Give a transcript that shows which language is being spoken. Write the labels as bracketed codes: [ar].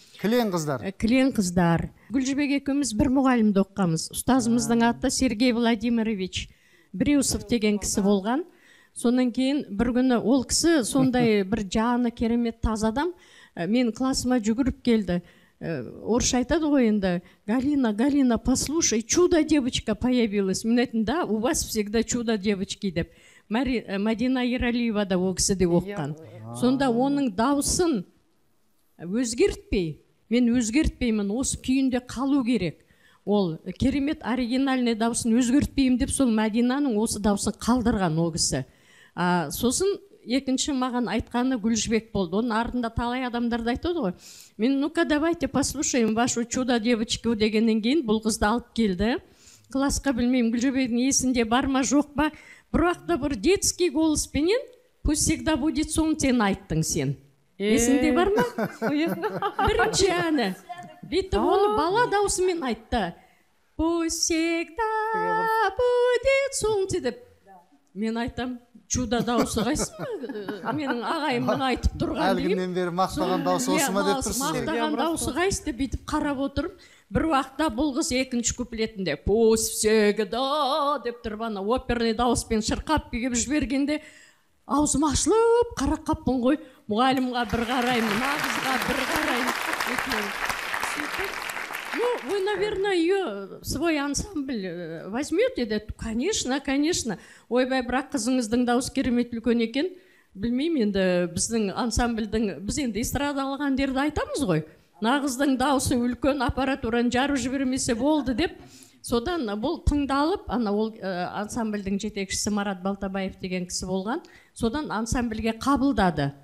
[kk] Кілең қыздар. Кілең қыздар. Гүлжібек екеуміз бір мұғалімді оқығанбыз. Ұстазымыздың аты Сергей Владимирович Бриусов деген кісі болған. Сонан кейін бір күні ол кісі сондай бір жаны керемет таза адам мен класыма жүгіріп келді. орысша айтады ғой енді, Галина, Галина, [ru] послушай, чудо девочка появилась. [kk] Мен айттым, [ru] да, у вас всегда чудо девочки [kk] деп. Мәдина Ералиева да ол кісі де оқыған. Сонда оның дауысын өзгертпей, мен өзгертпеймін, осы күйінде қалу керек. Ол керемет оригинальный дауысын өзгертпеймін деп, сол Мәдинаның осы дауысын қалдырған ол кісі. Сосын екінші маған айтқаны Гүлжібек болды. Оның артында талай адамдар да айтады ғой. Мен [ru] ну-ка давайте послушаем вашу чудо девочку [kk] дегеннен кейін бұл қызды алып келді. Класқа білмеймін Гүлжібектің есінде бар ма жоқ па, бірақ та бір детский голыспенен [ru] пусть всегда будет солнце [kk] айттың сен. Есінде бар ма? Бірінші әні. Бүйтіп оны бала дауысымен айтты. [ru] Пусть всегда будет солнце [kk] деп. Мен айтам, чудо дауысы қайсы ма? Менің ағайым мен айтып тұрған деймін. Әлгінен бері мақтаған дауысы осы ма деп тұрсыз? Мақтаған дауысы қайсы деп бүйтіп қарап отырып, бір уақытта бұл қыз екінші куплетінде [ru] пусть всегда [kk] деп тұрып, ана оперный дауыспен шырқап келіп жібергенде аузым ашылып қарақаппын ғой. Мұғалімге бір қараймын, нағызға бір қараймын. [ru] Ну, вы, наверное, ее свой ансамбль возьмете, да? Конечно, конечно. [kk] Ой, бай, брак, қызыңыздың дауыс керемет үлкен екен. Білмеймін енді, біздің ансамбльдің, біз енді эстрадалық әндерді айтамыз ғой. Нағыздың дауысы үлкен, аппаратураны жарып жібермесе болды деп. Содан бұл тыңдалып, ана ол ансамбльдің жетекшісі Марат Балтабаев деген кісі болған, содан ансамбльге қабылдады.